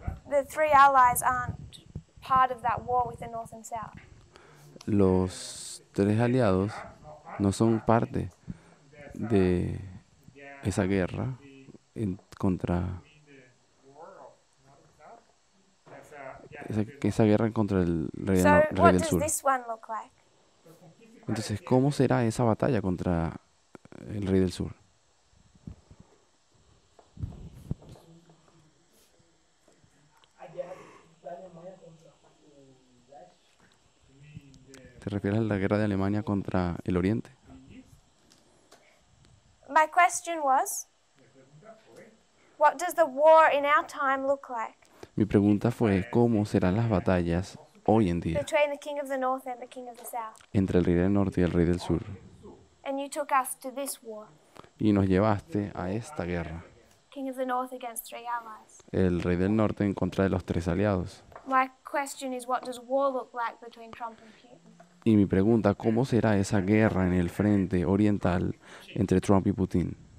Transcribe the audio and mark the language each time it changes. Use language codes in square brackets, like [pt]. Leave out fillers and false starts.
[en] The three allies aren't part of that war with the north and south. [es] Los tres aliados no son parte de esa guerra en contra esa guerra en contra del rey, so, rey del sur. [en] This one look like? [es] Entonces, ¿cómo será esa batalla contra el rey del sur? ¿Te refieres a la guerra de Alemania contra el Oriente? [en] My question was, what does the war in our time look like? [es] Mi pregunta fue, ¿cómo serán las batallas hoy en día? [en] Between the king of the north and the king of the south. [es] Entre el rey del norte y el rey del sur. [en] And you took us to this war. [es] Y nos llevaste a esta guerra. [en] King of the north against three allies. [es] El rey del norte en contra de los tres aliados. [en] My question is, what does war look like between Trump and Putin? [es] Y mi pregunta, ¿cómo será esa guerra en el frente oriental entre Trump y Putin?